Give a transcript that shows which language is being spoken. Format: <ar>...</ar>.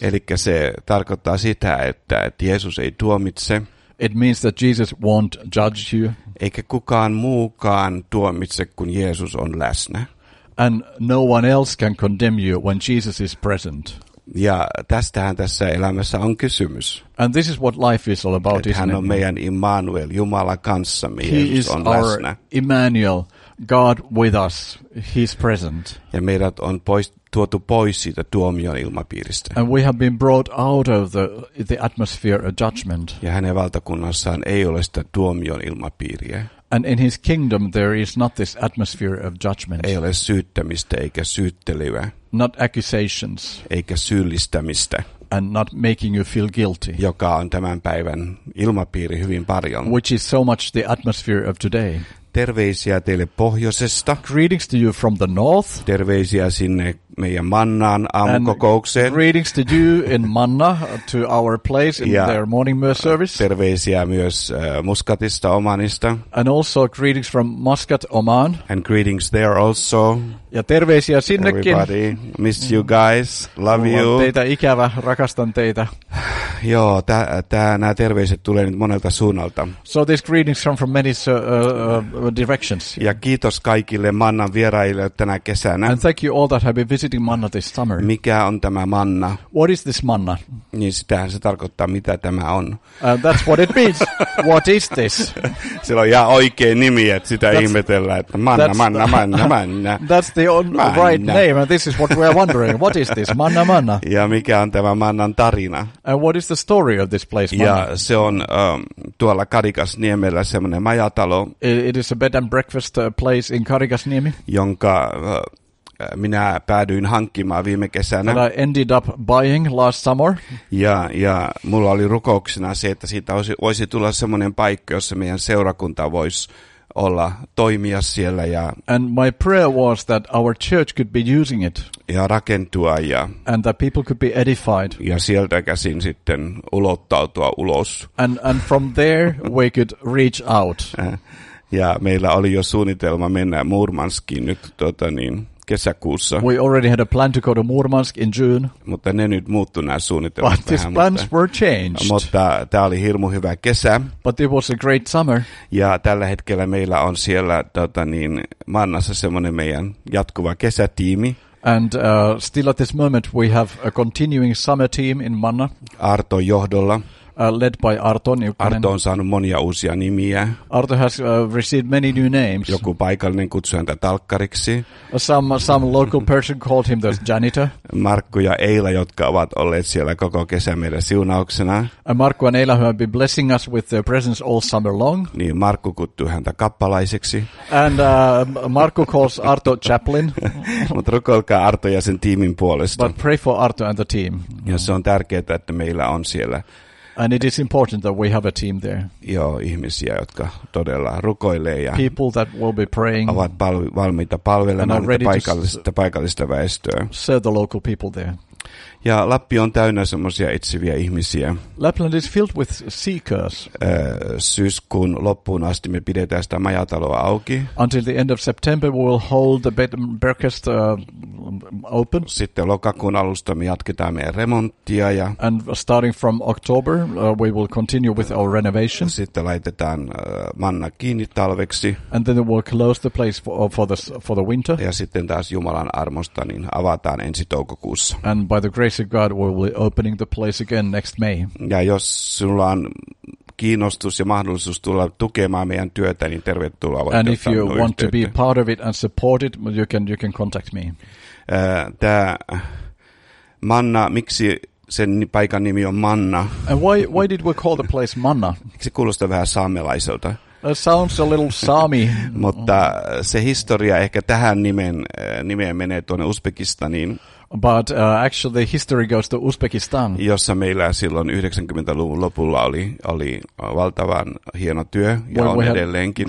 <fi>Elikkä se tarkoittaa sitä, että Jeesus ei tuomitse.</fi> <en>It means that Jesus won't judge you.</en> <fi>Eikä kukaan muukaan tuomitse, kun Jeesus on läsnä.</fi> <en>And no one else can condemn you when Jesus is present.</en> <fi>Ja tästähän tässä elämässä on kysymys.</fi> <en>And this is what life is all about, isn't it?</en> <fi>Hän on meidän Immanuel, Jumala kanssamme, Jeesus on läsnä.</fi> <en>He is our Immanuel, God with us, he's present.</en> <fi>Ja meidät on tuotu pois siitä tuomion ilmapiiristä.</fi> <en>And we have been brought out of the atmosphere of judgment.</en> <fi>Ja hänen valtakunnassaan ei ole sitä tuomion ilmapiiriä.</fi> <en>And in his kingdom there is not this atmosphere of judgment.</en> <fi>Ei ole syyttämistä eikä syyttelyä.</fi> <en>Not accusations.</en> <fi>Eikä syyllistämistä.</fi> <en>and not making you feel guilty.</en> <fi>Joka on tämän päivän ilmapiiri hyvin paljon.</fi> <en>Which is so much the atmosphere of today.</en> <fi>Terveisiä teille pohjoisesta.</fi> <en>Greetings to you from the north.</en> <fi>Terveisiä sinne meidän Mannaan aamukokoukseen.</fi> <en>Greetings to you in Manna to our place in their morning mass service.</en> <fi>Terveisiä myös Muscatista Omanista.</fi> <en>And also greetings from Muscat Oman. And greetings there also.</en> <fi>Ja terveisiä sinnekin.</fi> <en>Everybody, miss you guys. Love you.</en> <fi>Teitä ikävä, rakastan teitä. Joo, nämä terveiset tulee nyt monelta suunnalta.</fi> <en>So these greetings come from many directions.</en> <fi>Ja kiitos kaikille Mannan vieraille tänä kesänä.</fi> <en>And thank you all that have been visiting Manna this summer.</en> <fi>Mikä on tämä Manna?</fi> <en>What is this Manna?</en> <fi>Niin sitähän se tarkoittaa, mitä tämä on.</fi> <en>That's what it means. What is this?</en> <fi>Sillä on ihan oikea nimi, että sitä ihmetellään, että Manna.</fi> <en>That's the right name, and this is what we are wondering. What is this? Manna.</en> <fi>Ja mikä on tämä Mannan tarina?</fi> <en>And what is the story of this place,</en> <fi>Manna? Ja se on tuolla Karikasniemellä semmoinen majatalo.</fi> <en>It is a bed and breakfast place in Karikasniemi.</en> <fi>Jonka minä päädyin hankkimaan viime kesänä.</fi> <en>That I ended up buying last summer.</en> <fi>Ja mulla oli rukouksena se, että siitä voisi tulla semmoinen paikka, jossa meidän seurakunta voisi olla toimia siellä ja</fi> <en>and my prayer was that our church could be using it.</en> <fi>Ja rakentua ja</fi> <en>and that people could be edified.</en> <fi>Ja sieltä käsin sitten ulottautua ulos.</fi> <en>And from there we could reach out.</en> <fi>Ja meillä oli jo suunnitelma mennä Murmanskiin nyt kesäkuussa.</fi> <en>We already had a plan to go to Murmansk in June.</en> <fi>Mutta ne nyt muuttui nämä suunnitelmat.</fi> <en>But these plans were changed.</en> <fi>Mutta tämä oli hirmu hyvä kesä.</fi> <en>But it was a great summer.</en> <fi>Ja tällä hetkellä meillä on siellä Mannassa semmoinen meidän jatkuva kesätiimi.</fi> <en>And still at this moment we have a continuing summer team in Manna.</en> <fi>Arton johdolla.</fi> <en>Led by Arto Niukkanen.</en> <fi>Arto on saanut monia uusia nimiä.</fi> <en>Arto has received many new names.</en> <fi>Joku paikallinen kutsui häntä talkkariksi.</fi> <en>Some local person called him the janitor.</en> <fi>Markku ja Eila, jotka ovat olleet siellä koko kesän meidän siunauksena.</fi> <en>Markku and Eila, who have been blessing us with their presence all summer long.</en> <fi>Niin, Markku kutsui häntä kappalaiseksi.</fi> <en>And Markku calls Arto chaplain.</en> <fi>Mutta rukoilkaa Arto ja sen tiimin puolesta.</fi> <en>But pray for Arto and the team.</en> <fi>Ja se on tärkeää, että meillä on siellä</fi> <en>and it is important that we have a team there.</en> <fi>Joo, ihmisiä, jotka todella rukoilee ja</fi> <en>people that will be praying</en> <fi>ovat valmiita palvelemaan paikallista väestöä.</fi> <en>Serve the local people there.</en> <fi>Ja Lappi on täynnä semmoisia etsiviä ihmisiä.</fi> <en>Lapland is filled with seekers.</en> <fi>Syyskuun loppuun asti me pidetään sitä majataloa auki.</fi> <en>Until the end of September we will hold the bed and breakfast open.</en> <fi>Sitten lokakuun alusta me jatketaan meidän remonttia ja</fi> <en>and starting from October we will continue with our renovation.</en> <fi>Sitten laitetaan Manna kiinni talveksi.</fi> <en>And then we will close the place for the winter.</en> <fi>Ja sitten taas Jumalan armosta niin avataan ensi toukokuussa.</fi> <en>And by the grace of God we will be opening the place again next May.</en> <fi>Ja jos sulla on kiinnostus ja mahdollisuus tulla tukemaan meidän työtä niin tervetuloa voit</fi> <en>and if you want to be part of it and support it you can contact me.</en> <fi>Tämä Manna, miksi sen paikan nimi on Manna?</fi> <en>And why did we call the place Manna?</en> <fi>Se kuulostaa vähän saamelaiselta.</fi> <en>It sounds a little Sami.</en> <fi>Mutta se historia ehkä tähän nimeen menee tuonne Uzbekistaniin.</fi> <en>But actually the history goes to Uzbekistan.</en> <fi>Jossa meillä silloin 90-luvun lopulla oli valtavan hieno työ ja on edelleenkin.</fi>